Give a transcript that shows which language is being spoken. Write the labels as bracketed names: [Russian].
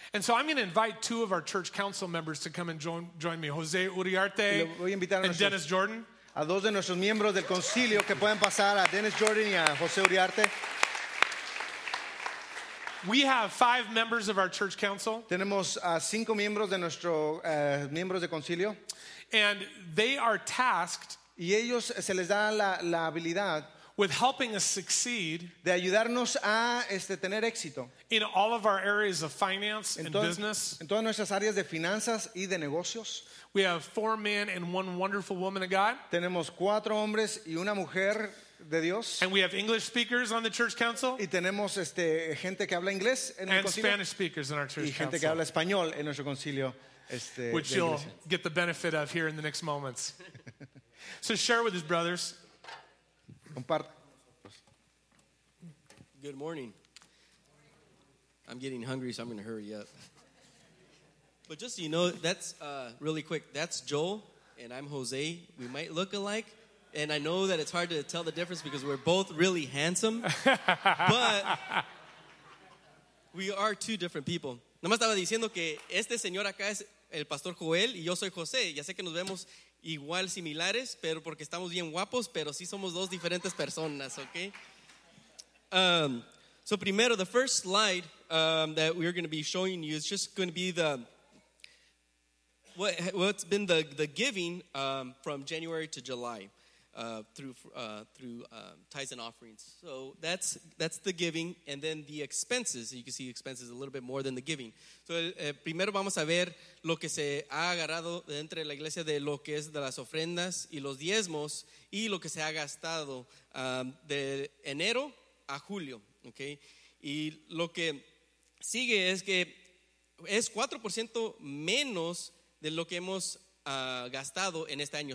[English] And so I'm going to invite two of our church council members to come and join me, Jose Uriarte and Dennis Jordan, [Spanish] a dos de nuestros miembros del concilio que pueden pasar, a Dennis Jordan y a Jose Uriarte. [English] We have 5 members of our church council. [Spanish] Tenemos 5 miembros de nuestro miembros de concilio. [English] And they are tasked. [Spanish] Y ellos se les da la habilidad. [English] With helping us succeed. [Spanish] De ayudarnos a tener éxito. [English] In all of our areas of finance and business. [Spanish] En todas nuestras áreas de finanzas y de negocios. [English] We have 4 men and 1 wonderful woman of God. [Spanish] Tenemos 4 hombres y una mujer. De Dios. [English] And we have English speakers on the church council. [Spanish] Y tenemos gente que habla inglés en [English] and [Spanish] el concilio. [English] Spanish speakers in our church council. [Spanish] Y gente que habla español en nuestro concilio. [English] Which [Spanish] de [English] you'll [Spanish] iglesia. [English] Get the benefit of here in the next moments. So share with his brothers. [Spanish] Comparte. [English] Good morning. I'm getting hungry, so I'm going to hurry up. But just so you know, that's really quick. That's Joel, and I'm Jose. We might look alike. And I know that it's hard to tell the difference because we're both really handsome, but we are two different people. [Spanish] No me estaba diciendo que este señor acá es el pastor Joel y yo soy José. Ya sé que nos vemos igual similares, pero porque estamos bien guapos, pero sí somos dos diferentes personas, okay? [English] So [Spanish] primero, [English] the first slide that we're going to be showing you is just going to be what's been the giving from January to July. Through tithes and offerings. So that's the giving, and then the expenses. You can see expenses a little bit more than the giving. [Spanish] So primero vamos a ver lo que se ha agarrado entre la iglesia de lo que es de las ofrendas y los diezmos y lo que se ha gastado de enero a julio, okay? Y lo que sigue es que es 4% menos de lo que hemos gastado en este año.